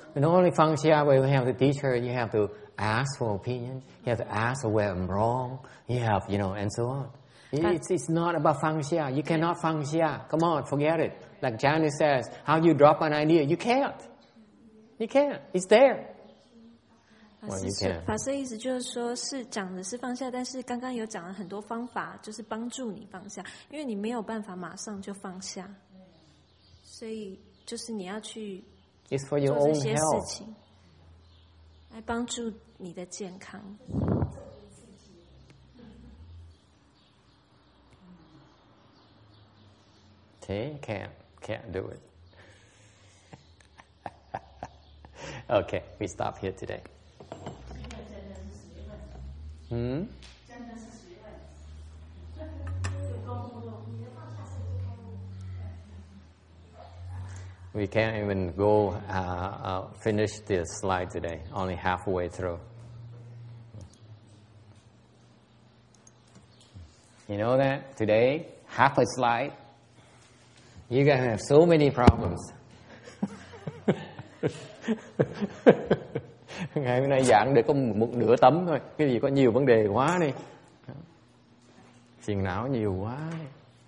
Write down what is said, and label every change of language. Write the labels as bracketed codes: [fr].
[en] Not only Fangxia, but you have to teach her, you have to ask for opinion, you have to ask where I'm wrong, you have, you know, and so on. It's not about Fangxia. You cannot Fangxia. Come on, forget it. Like Janice says, how you drop an idea? You can't. You can't. It's there. [zh] Well, 法师意思就是说是讲的是放下，但是刚刚有讲了很多方法，就是帮助你放下，因为你没有办法马上就放下，所以就是你要去做这些事情， [en] It's for your own health. [zh] 来帮助你的健康。 [en] Can't do it. Okay, we stop here today. We can't even go finish this slide today, only halfway through. You know that today, half a slide, you're going to have so many problems. [vi] Ngày hôm nay giảng để có một nửa tấm thôi. Cái gì có nhiều vấn đề quá đi. Phiền não nhiều quá đi.